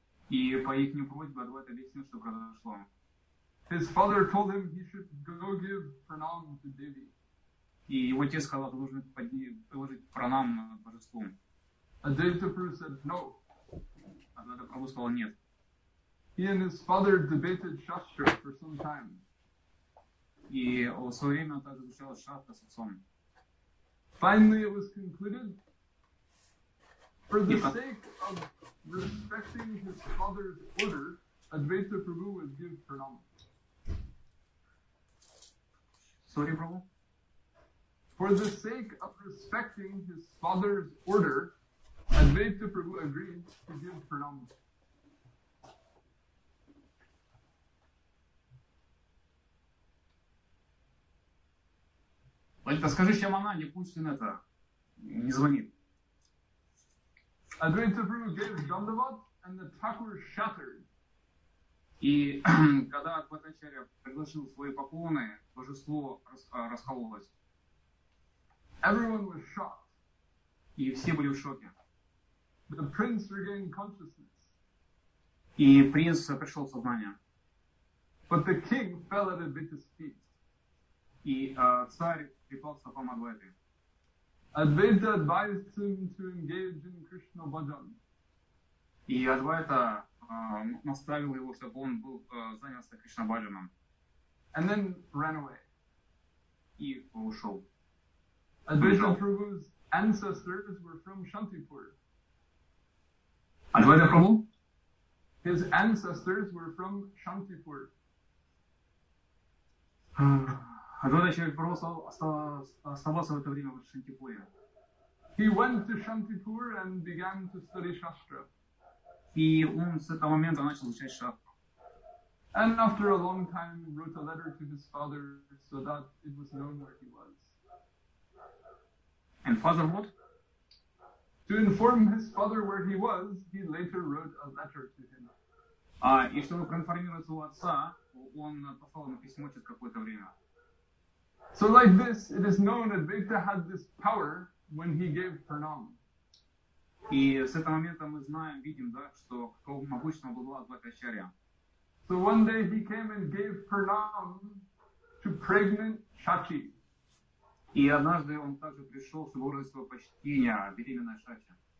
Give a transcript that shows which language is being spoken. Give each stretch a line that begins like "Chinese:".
Russian: И по их просьбе Адвайта объяснил, что произошло.
English: His father told him he should go give pranam to Devi.
Russian: И его отец сказал, что должен положить пранам божеству.
English: Advaita Prabhu said no.
Russian: Адвайта Прабху сказал нет.
English: He and his father debated shastra for some time.
Russian: И в свое время он также изучал шастру с отцом.
English: Finally it was concluded. For the sake of respecting his father's order, Advaita Prabhu would give pranam. Sorry, Prabhu. For the sake of respecting his father's order, Advaita Prabhu agreed to give pranam.
Russian: Это скажи, чем она, не пусть он это не звонит.
English: Advaita Prabhu gave dandavat and the Thakur shattered.
Russian: И когда Адвайта Ачарья приглашил свои поклоны, божество раскололось.
English: Everyone was shocked.
Russian: И все были в шоке.
English: The prince regained consciousness.
Russian: И принц пришел в сознание.
English: But the king fell at Advaita's feet.
Russian: И царь припался по Мадхвайте.
English: Advaita advised him to engage in Krishna bhajan.
Russian: И Адвайта наставил его, чтобы он был занялся Кришна бхаджаном.
English: And then ran away.
Russian: И ушел.
English: Advaita Prabhu's ancestors were from Shantipur. Advaita Prabhu? His ancestors were from Shantipur.
Russian: Advaita Prabhu оставался в это время в Шантипуре.
English: He went to Shantipur and began to study Shastra.
Russian: И он с этого момента начал изучать Шастру.
English: And after a long time wrote a letter to his father so that it was known where he was. And father what? To inform his father where he was, he later wrote a letter to him.
Russian: И чтобы проинформировать своего отца, он послал ему письмо через какое-то время.
English: So like this, it is known that Advaita had this power when he gave pranam.
Russian: И с этого момента мы знаем, видим, да, что какого могущественного была Адвайта Ачарья.
English: So one day he came and gave pranam to pregnant Shachi.
Russian: И однажды он также пришел, чтобы выразить свое почтение беременной Шачи.